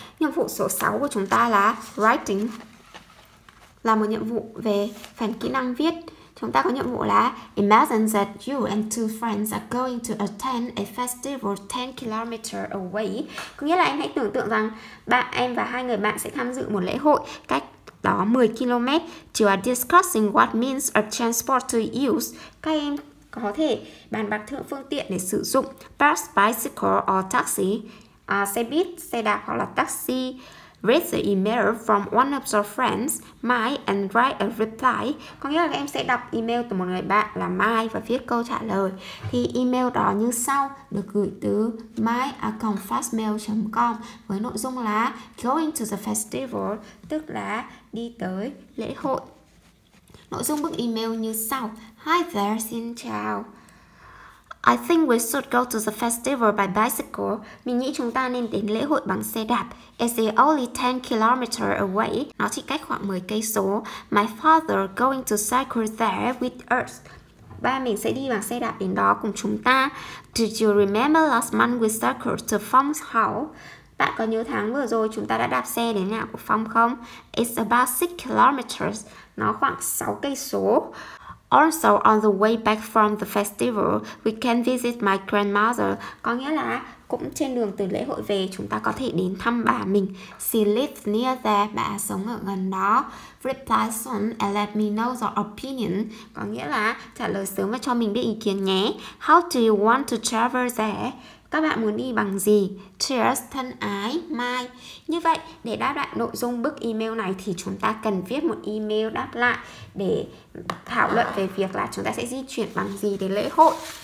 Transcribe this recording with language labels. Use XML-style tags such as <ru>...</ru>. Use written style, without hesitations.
<vi>Nhiệm vụ số 6 của chúng ta là writing, là một nhiệm vụ về phần kỹ năng viết. Chúng ta có nhiệm vụ là</vi> <en>imagine that you and two friends are going to attend a festival 10 km away.</en> <vi>Có nghĩa là em hãy tưởng tượng rằng bạn, em và hai người bạn sẽ tham dự một lễ hội cách đó 10 km.</vi> <en>You are discussing what means of transport to use.</en> <vi>Các em có thể bàn bạc thượng phương tiện để sử dụng</vi> <en>bus, bicycle or taxi,</en> <vi>xe buýt, xe đạp hoặc là taxi.</vi> <en>Read the email from one of your friends, Mai, and write a reply.</en> <vi>Có nghĩa là các em sẽ đọc email từ một người bạn là Mai và viết câu trả lời. Thì email đó như sau, được gửi từ mai@fastmail.com với nội dung là</vi> <en>going to the festival,</en> <vi>tức là đi tới lễ hội. Nội dung bức email như sau.</vi> <en>Hi there,</en> <vi>xin chào.</vi> <en>I think we should go to the festival by bicycle.</en> <vi>Mình nghĩ chúng ta nên đến lễ hội bằng xe đạp.</vi> <en>It's only 10 km away.</en> <vi>Nó chỉ cách khoảng 10 cây số.</vi> <en>My father going to cycle there with us.</en> <vi>Ba mình sẽ đi bằng xe đạp đến đó cùng chúng ta.</vi> <en>Did you remember last month we cycled to Phong's house?</en> <vi>Bạn có nhớ tháng vừa rồi chúng ta đã đạp xe đến nhà của Phong không?</vi> <en>It's about 6 kilometers.</en> <vi>Nó khoảng 6 cây số.</vi> <en>Also, on the way back from the festival, we can visit my grandmother.</en> <vi>Có nghĩa là cũng trên đường từ lễ hội về, chúng ta có thể đến thăm bà mình.</vi> <en>She lives near there.</en> <vi>Bà sống ở gần đó.</vi> <en>Reply soon and let me know your opinion.</en> <vi>Có nghĩa là trả lời sớm và cho mình biết ý kiến nhé.</vi> <en>How do you want to travel there?</en> <vi>Các bạn muốn đi bằng gì? Cheers, thân ái, Mai. Như vậy, để đáp lại nội dung bức email này thì chúng ta cần viết một email đáp lại để thảo luận về việc là chúng ta sẽ di chuyển bằng gì đến lễ hội.</vi>